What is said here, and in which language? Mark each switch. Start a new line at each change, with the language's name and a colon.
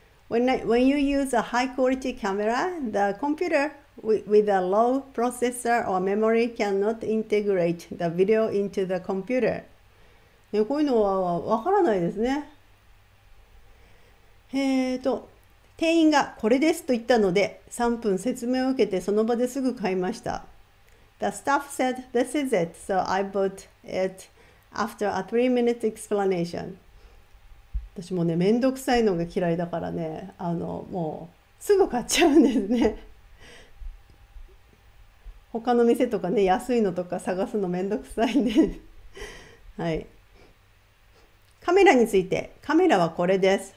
English: When you use a high quality camera, the computer with a low processor or memory cannot integrate the video into the computer、ね、
Japanese: こういうのはわからないですね。店員がこれですと言ったので3分説明を受けてその場ですぐ買いました。
English: The staff said this is it, so I bought it after a 3-minute explanation.
Japanese: 私もね、めんどくさいのが嫌いだからね、もうすぐ買っちゃうんですね。他の店とかね、安いのとか探すのめんどくさいね。はい。カメラについて、カメラはこれです。